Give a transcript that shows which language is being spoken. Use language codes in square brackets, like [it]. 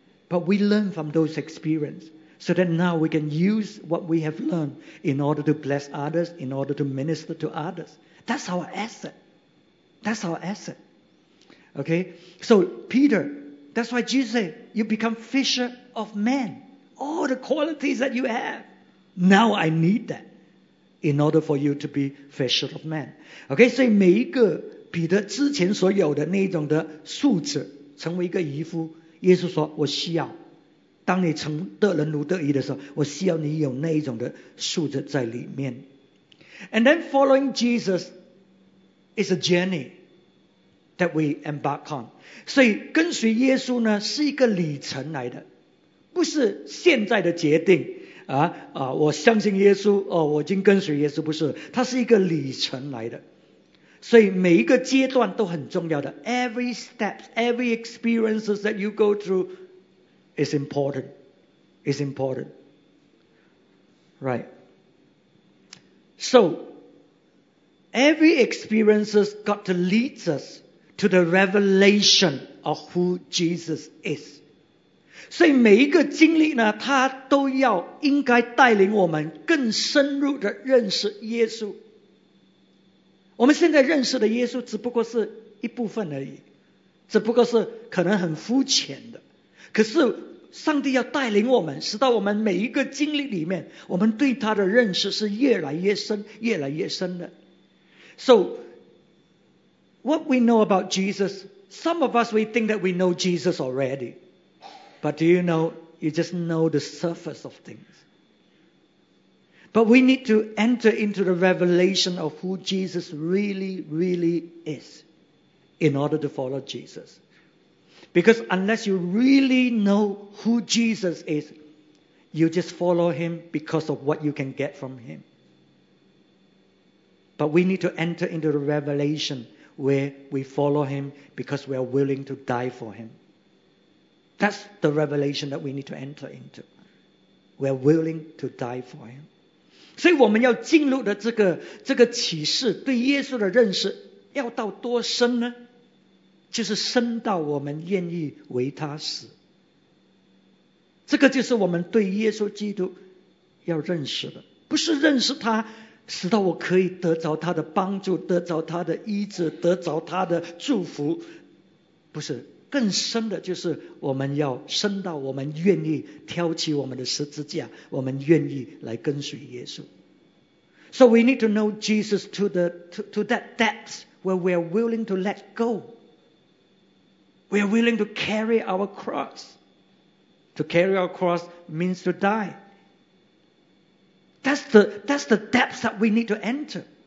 [en] But we learn from those experiences so that now we can use what we have learned in order to bless others, in order to minister to others. That's our asset. That's our asset. Okay? So, Peter, that's why Jesus said, you become fisher of men. All the qualities that you have. Now I need that in order for you to be fisher of men. Okay? [zh] So, 每一个彼得之前所有的那种的素质成为一个渔夫，耶稣说我需要，当你成得人如得鱼的时候，我需要你有那一种的素质在里面。 [en] And then following Jesus is a journey that we embark on. [zh] 所以跟随耶稣呢是一个旅程来的，不是现在的决定我相信耶稣我已经跟随耶稣，不是，它是一个旅程来的。所以每一个阶段都很重要的， [en] every step, every experiences that you go through is important, is important. Right. So, every experiences got to lead us to the revelation of who Jesus is. [zh] 所以每一个经历呢，它都要应该带领我们更深入的认识耶稣。我们现在认识的耶稣只不过是一部分而已，只不过是可能很肤浅的，可是上帝要带领我们，使到我们每一个经历里面，我们对他的认识是越来越深，越来越深的。 [en] So what we know about Jesus, some of us we think that we know Jesus already, but do you know, you just know the surface of things. But we need to enter into the revelation of who Jesus really, really is in order to follow Jesus. Because unless you really know who Jesus is, you just follow him because of what you can get from him. But we need to enter into the revelation where we follow him because we are willing to die for him. That's the revelation that we need to enter into. We are willing to die for him. [zh] 所以我们要进入的这个启示，对耶稣的认识要到多深呢？就是深到我们愿意为他死。这个就是我们对耶稣基督要认识的，不是认识他使到我可以得着他的帮助，得着他的医治，得着他的祝福，不是，更深的就是我们要深到我们愿意挑起我们的十字架，我们愿意来跟随耶稣。 [en] So we need to know Jesus to that depth where we are willing to let go. We are willing to carry our cross. To carry our cross means to die. That's the depth that we need to enter.